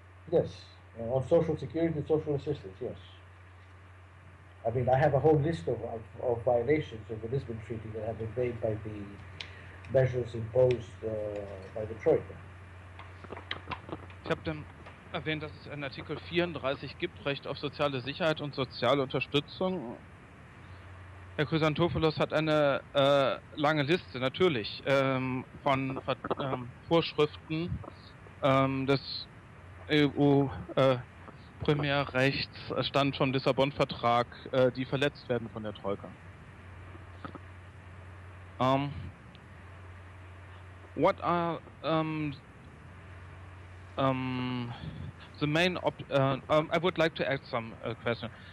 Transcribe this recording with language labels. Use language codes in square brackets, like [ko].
[en] Yes, on social security and social assistance, yes. I mean, I have a whole list of violations of the Lisbon Treaty that have been made by the measures imposed by the Troika. [de] Ich habe dann erwähnt, dass es einen Artikel 34 gibt, Recht auf soziale Sicherheit und soziale Unterstützung. Herr Chrysantopoulos hat eine lange Liste, natürlich, von Vorschriften des EU-Primärrechts, stand vom Lissabon-Vertrag, die verletzt werden von der Troika. [en] What are the main I would like to ask some question.